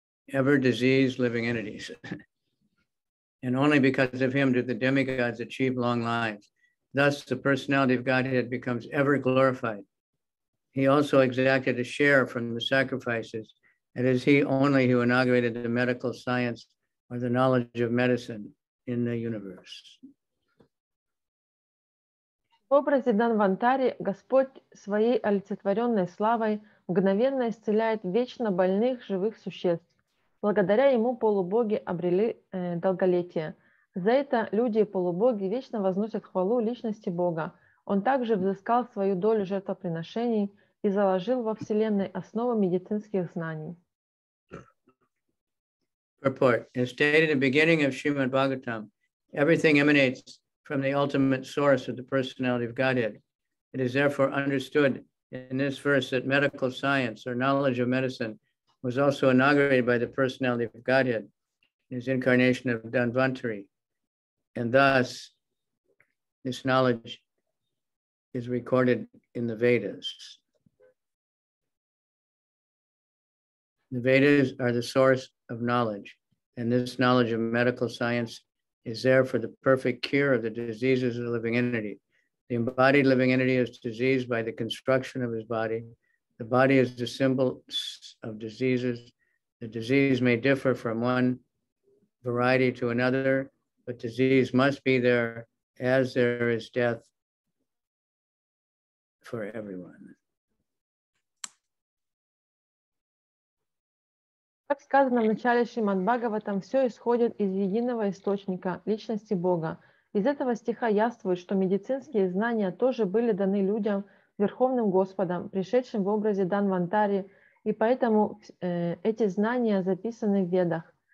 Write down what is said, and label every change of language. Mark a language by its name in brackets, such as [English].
[English] Ever diseased living entities. And only because of him do the demigods achieve long lives. Thus, the personality of Godhead becomes ever glorified. He also exacted a share from the sacrifices. It is he only who inaugurated the medical science or the knowledge of medicine in the universe. [Russian] В образе Данвантари Господь своей олицетворенной славой мгновенно исцеляет вечно больных живых существ. Благодаря ему полубоги обрели долголетие. За это люди и полубоги вечно возносят хвалу личности Бога. Он также взыскал свою долю жертвоприношений и заложил во Вселенной основу медицинских знаний. [English] Report. As stated in the beginning of Srimad Bhagavatam, everything emanates from the ultimate source of the personality of Godhead. It is therefore understood in this verse that medical science or knowledge of medicine was also inaugurated by the personality of Godhead in his incarnation of Danvantari. And thus, this knowledge is recorded in the Vedas. The Vedas are the source of knowledge, and this knowledge of medical science is there for the perfect cure of the diseases of the living entity. The embodied living entity is diseased by the construction of his body. The body is the symbol of diseases. The disease may differ from one variety to another, but disease must be there as there is death for everyone. [Russian] Как сказано в начале Шримад-Бхагаватам, все исходит из единого источника – личности Бога. Из этого стиха явствует, что медицинские знания тоже были даны людям, Верховным Господом, пришедшим в образе Данвантари, и поэтому эти знания записаны в Ведах.